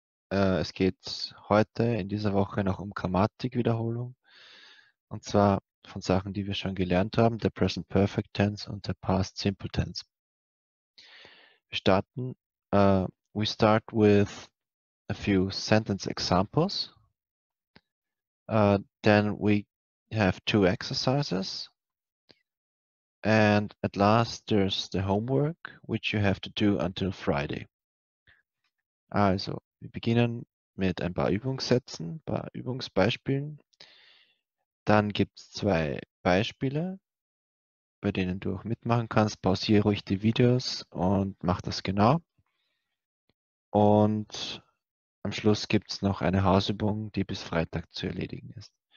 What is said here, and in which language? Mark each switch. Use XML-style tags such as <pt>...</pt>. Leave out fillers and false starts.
<de>Es geht heute in dieser Woche noch um Grammatikwiederholung. Und zwar von Sachen, die wir schon gelernt haben, der Present Perfect Tense und der Past Simple Tense. Wir starten,</de> <en>we start with a few sentence examples. Then we have two exercises. And at last there's the homework, which you have to do until Friday.</en> <de>Also, wir beginnen mit ein paar Übungssätzen, ein paar Übungsbeispielen. Dann gibt es zwei Beispiele, bei denen du auch mitmachen kannst. Pausiere ruhig die Videos und mach das genau. Und am Schluss gibt es noch eine Hausübung, die bis Freitag zu erledigen ist.</de>